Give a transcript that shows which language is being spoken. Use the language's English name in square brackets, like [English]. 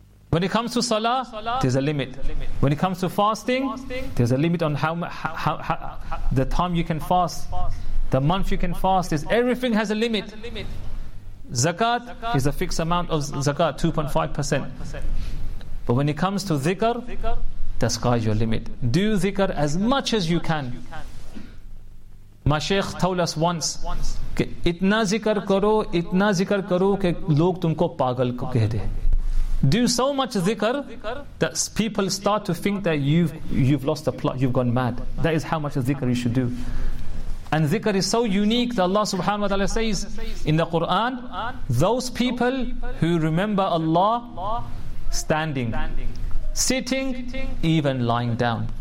[English] When it comes to salah, there's a limit. When it comes to fasting, there's a limit on how the time you can fast. The month you can fast is, everything has a limit. Zakat is a fixed amount of zakat, 2.5%. But when it comes to dhikr, the sky is your limit. Do dhikr as much as you can. My sheikh told us once, [Urdu] اتنا ذکر کرو، اتنا ذکر کرو کے لوگ تم کو پاگل کو کہہ دے۔ [English] Do so much dhikr that people start to think that you've lost the plot, you've gone mad. That is how much dhikr you should do. And dhikr is so unique that Allah subhanahu wa ta'ala says in the Quran, those people who remember Allah standing, sitting, even lying down.